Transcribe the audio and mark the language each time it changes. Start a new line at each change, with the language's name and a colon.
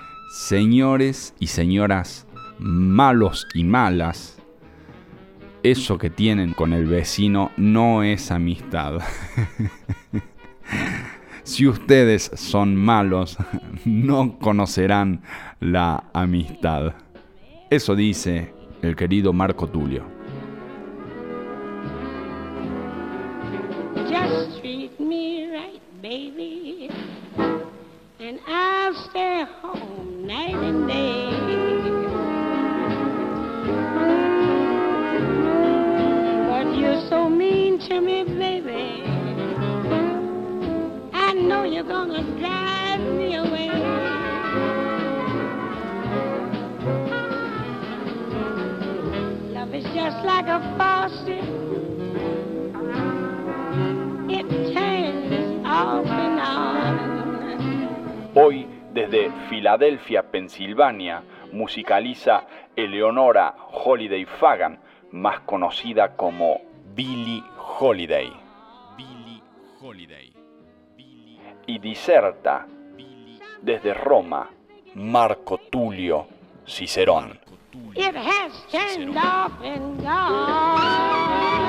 Spanish: Señores y señoras malos y malas, eso que tienen con el vecino no es amistad. Si ustedes son malos, no conocerán la amistad. Eso dice el querido Marco Tulio.
English: Just treat me right, baby, and I'll stay home night and day. But you're so mean to me, baby, I know you're gonna drive me away. Love is just like a faucet, it turns off and on.
Spanish: Hoy, desde Filadelfia, Pensilvania, musicaliza Eleonora Holiday Fagan, más conocida como Billie Holiday. Billie Holiday. Y diserta desde Roma, Marco Tulio Cicerón.
English: It has turned off and gone.